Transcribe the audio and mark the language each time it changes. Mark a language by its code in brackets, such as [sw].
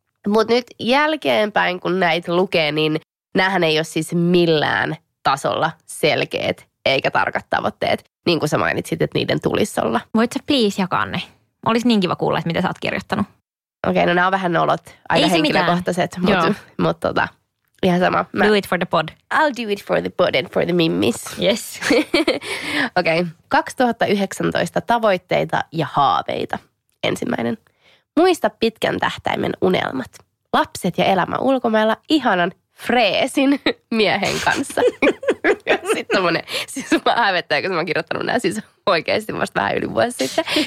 [fi] Mutta nyt jälkeenpäin, kun näitä lukee, niin näähän ei ole siis millään tasolla selkeät eikä tarkat tavoitteet, niin kuin sä mainitsit, että niiden tulisi olla. Voit sä please jakaa ne? Olisi niin kiva kuulla, että mitä sä oot kirjoittanut. Okei, no nämä on vähän ne olot, aika henkilökohtaiset, mutta ihan sama. [en] Do it for the pod. I'll do it for the pod and for the mimmis. Yes. [fi] Okei, 2019 tavoitteita ja haaveita. Ensimmäinen. Muista pitkän tähtäimen unelmat. Lapset ja elämä ulkomailla ihanan freesin miehen kanssa. Sitten tommonen, siis mä hävettäen, kun mä oon kirjoittanut nämä siis oikeasti vasta vähän yli vuosi sitten.